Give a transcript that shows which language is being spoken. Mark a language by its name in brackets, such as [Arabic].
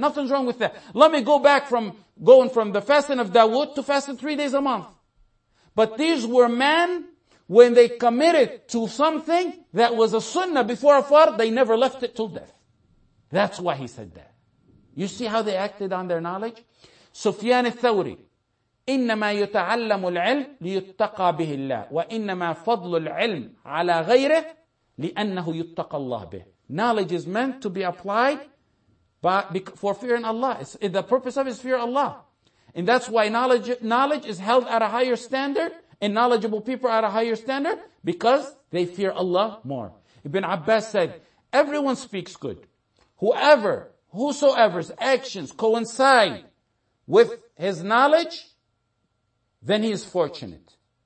[English] Nothing's wrong with that. Let me go back from going from the fasting of Dawood to fasting 3 days a month. But these were men, when they committed to something that was a sunnah before a fard, they never left it till death. That's why he said that. You see how they acted on their knowledge? Sufyan al-Thawri. [Arabic] إنما يتعلم العلم ليتقى به الله وإنما فضل العلم على غيره لأنه يتقى الله به. [English] Knowledge is meant to be applied for fear in Allah. The purpose of it is fear Allah. And that's why knowledge is held at a higher standard and knowledgeable people are at a higher standard because they fear Allah more. Ibn Abbas said, everyone speaks good. Whosoever's actions coincide with his knowledge, then he is fortunate.